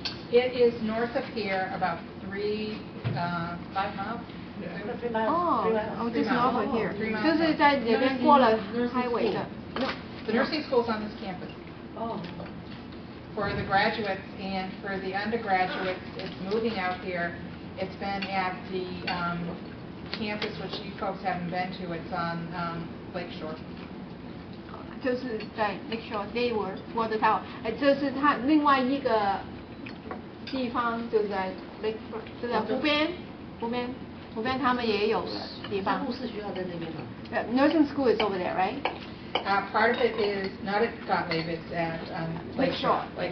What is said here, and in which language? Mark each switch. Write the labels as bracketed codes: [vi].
[en] It is north of here, about 3 miles. Oh, just north of here. [zh] 就是在这边过了highway的。 [en] The nursing school is on this campus. Oh. For the graduates and for the undergraduates, it's moving out here. It's been at the campus, which you folks haven't been to. It's on Lake Shore. [zh] 就是在 Lake Shore, [en] they were water tower. [zh] 就是他另外一个地方就在 Lake Shore, 就在湖边，湖边他们也有的地方。护士学校在那边吗？ [en] Nursing school is over there, right? Part of it is not at Gottlieb, it's at Lake Shore.